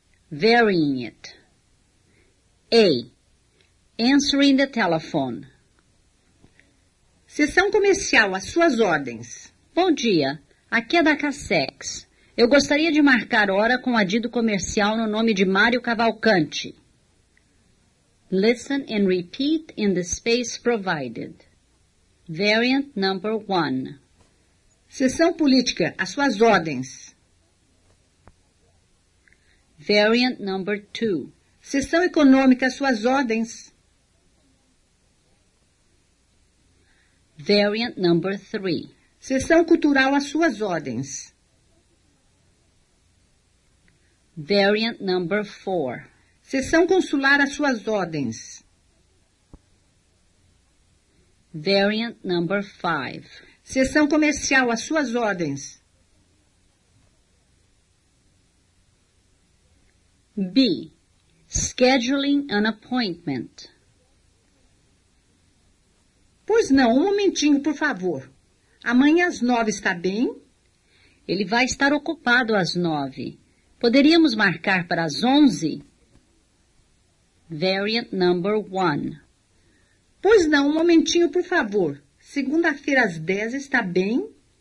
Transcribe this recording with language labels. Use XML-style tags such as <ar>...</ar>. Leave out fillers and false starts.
<en>Varying it. A. Answering the telephone.</en> <pt>Sessão comercial, às suas ordens. Bom dia. Aqui é da Cassex. Eu gostaria de marcar hora com o adido comercial no nome de Mário Cavalcante.</pt> <en>Listen and repeat in the space provided. Variant number 1.</en> <pt>Sessão política, às suas ordens.</pt> <en>Variant number 2.</en> <pt>Sessão econômica, às suas ordens.</pt> <en>Variant number 3.</en> <pt>Sessão cultural, às suas ordens.</pt> <en>Variant number 4.</en> <pt>Sessão consular, às suas ordens.</pt> <en>Variant number 5.</en> <pt>Sessão comercial, às suas ordens.</pt> <en>B. Scheduling an appointment.</en> <pt>Pois não, um momentinho, por favor. Amanhã às 9 está bem? Ele vai estar ocupado às 9. Poderíamos marcar para as 11?</pt> <en>Variant number 1.</en> <pt>Pois não, um momentinho, por favor. Segunda-feira às 10 está bem?</pt>